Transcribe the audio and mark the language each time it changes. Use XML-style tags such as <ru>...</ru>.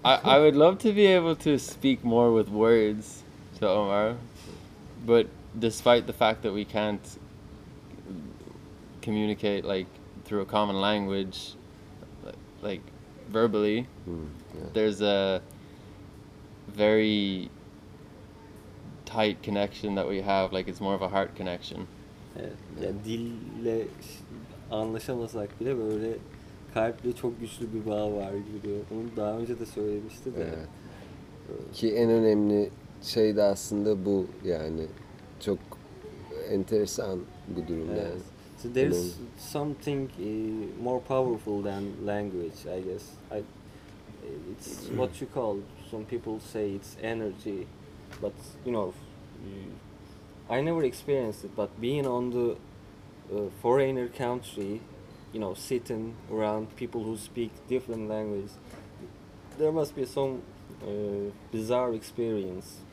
<en>I would love to be able to speak more with words to Omar, but despite the fact that we can't communicate like through a common language, like verbally, there's a very tight connection that we have. Like it's more of a heart connection.</en> <tr>Yani dille anlaşamasak bile böyle kalple çok güçlü bir bağ var gibi. Onu daha önce de söylemişti de. Ki en önemli şey de aslında bu, yani çok enteresan bu durum yani.</tr> <en>So there's something more powerful than language, I guess. It's what you call, some people say it's energy, but you know, I never experienced it, but being on the foreigner country, you know, sitting around people who speak different languages, there must be some bizarre experience.</en>